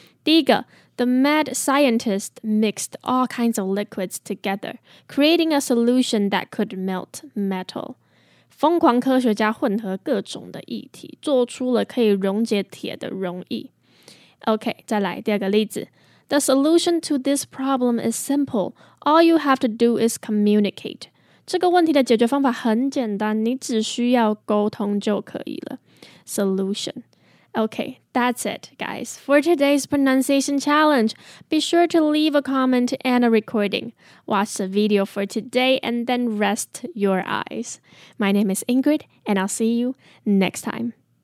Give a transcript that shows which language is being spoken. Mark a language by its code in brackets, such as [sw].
[zh] 第一个 [en] ，The mad scientist mixed all kinds of liquids together, creating a solution that could melt metal. [zh] 疯狂科学家混合各种的液体，做出了可以溶解铁的溶液。 OK, 再来第二个例子。 [en] The solution to this problem is simple. All you have to do is communicate. [zh] 这个问题的解决方法很简单，你只需要沟通就可以了。 [en] Solution. OK, that's it, guys. For today's pronunciation challenge, be sure to leave a comment and a recording. Watch the video for today and then rest your eyes. My name is Ingrid, and I'll see you next time.